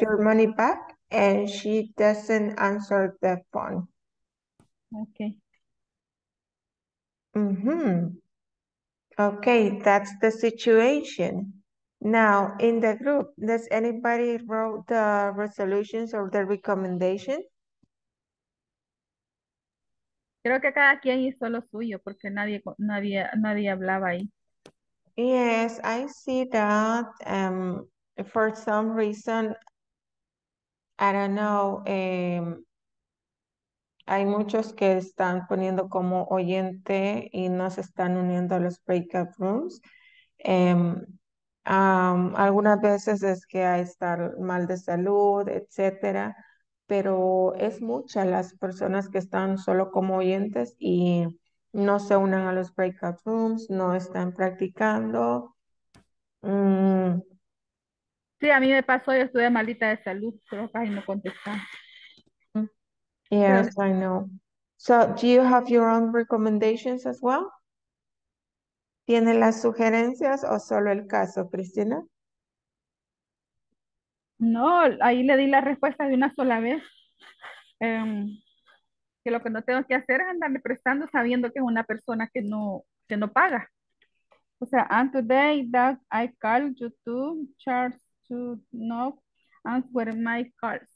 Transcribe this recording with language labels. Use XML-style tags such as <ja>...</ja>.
<en>your money back, and she doesn't answer the phone. Okay. Mm-hmm. Okay, that's the situation. Now, in the group, does anybody wrote the resolutions or the recommendation?</en> <es>Creo que cada quien hizo lo suyo porque nadie hablaba ahí.</es> <en>Yes, I see that. For some reason, I don't know,</en> <es>hay muchos que están poniendo como oyente y no se están uniendo a los breakout rooms. Algunas veces es que hay estar mal de salud, etcétera, pero es mucha las personas que están solo como oyentes y no se unen a los breakout rooms, no están practicando. Sí, a mí me pasó, yo estuve malita de salud, pero casi no contestaba.</es> <en>Yes, I know. So, do you have your own recommendations as well?</en> <es>¿Tiene las sugerencias o solo el caso, Cristina? No, ahí le di la respuesta de una sola vez. Que lo que no tengo que hacer es andarle prestando sabiendo que es una persona que no paga. O sea,</es> <en>and today that I called you to charge to know answer my calls.</en>